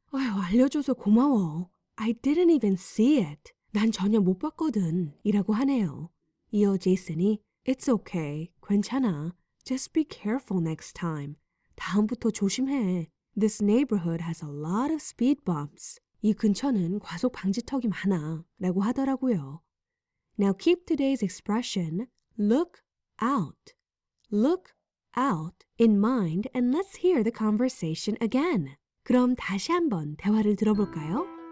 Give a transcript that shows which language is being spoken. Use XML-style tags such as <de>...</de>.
<ko>아유, 알려줘서 고마워.</ko> <en>I didn't even see it.</en> <ko>난 전혀 못 봤거든. 이라고 하네요. 이어 제이슨이</ko> <en>It's okay.</en> <ko>괜찮아.</ko> <en>Just be careful next time.</en> <ko>다음부터 조심해.</ko> <en>This neighborhood has a lot of speed bumps.</en> <ko>이 근처는 과속 방지턱이 많아. 라고 하더라고요.</ko> <en>Now keep today's expression, look out. Look out in mind and let's hear the conversation again.</en> <ko>그럼 다시 한번 대화를 들어볼까요?</ko>